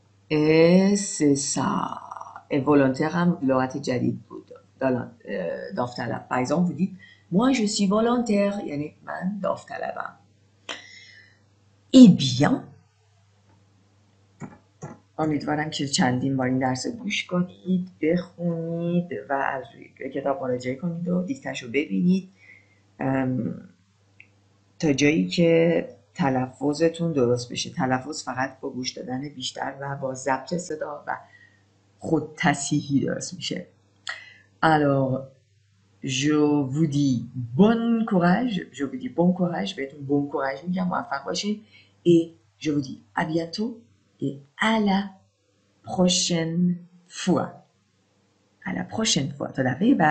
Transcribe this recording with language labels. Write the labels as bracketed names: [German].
[Persian] اسسا ا ولونتیر هم لغت جدید بود داوطلب پایزان بودید موا جو سی ولونتیر یعنی من داوطلبم ای بیان امیدوارم که چندین بار این درس گوش کنید، بخونید و از روی کتاب مراجعه کنید و دیکتش رو ببینید تا جایی که تلفظتون درست بشه. تلفظ فقط با گوش دادن بیشتر و با ضبط صدا و خود تصحیحی درست میشه. [French] Alors, je vous dis bon courage. [Persian] بهتون بون کوراژ میگم، موفق باشید. [French] Et je vous dis à bientôt et à la prochaine fois. À la prochaine fois.